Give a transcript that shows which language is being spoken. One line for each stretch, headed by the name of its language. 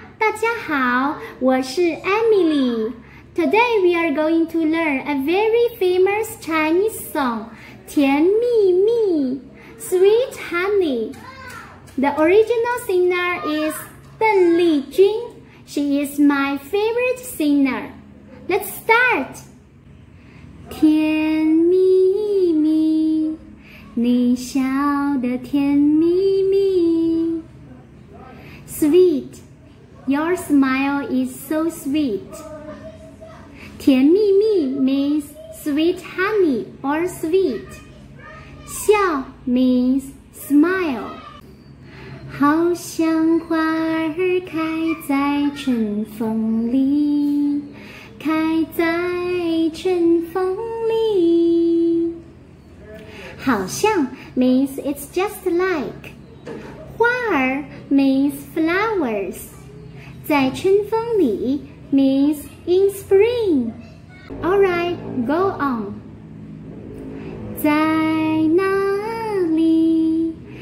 Chinese: 大家好，我是 Emily.
English: Today we are going to learn a very famous Chinese song, 甜蜜蜜 Sweet Honey. The original singer is 邓丽君. She is my favorite singer. Let's start.
Chinese: 甜蜜蜜，你笑得甜蜜蜜
English: Sweet, your smile is so sweet. 甜蜜蜜 means sweet honey or sweet. 笑 means smile.
Chinese: 好像花儿开在春风里，开在春风里。
English: 好像 means it's just like. 花儿 means flowers.
Chinese: 在春风里
English: means in spring. Alright, go on.
Chinese: 在哪里？